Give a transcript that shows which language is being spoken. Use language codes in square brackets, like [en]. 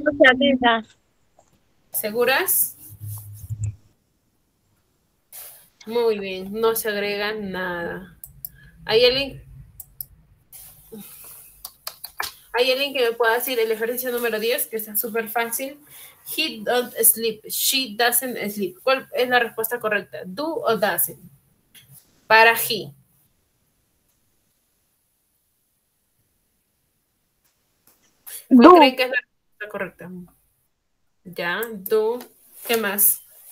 [es] No se agrega. ¿Seguras? Muy bien, no se agrega nada. ¿Hay alguien que me pueda decir el ejercicio número 10, que está súper fácil? [en] He don't sleep, she doesn't sleep. [es] ¿Cuál es la respuesta correcta? ¿Do o doesn't? Para he. [en] Do. [es] ¿Creen que es la respuesta correcta? Ya, do. ¿Qué más?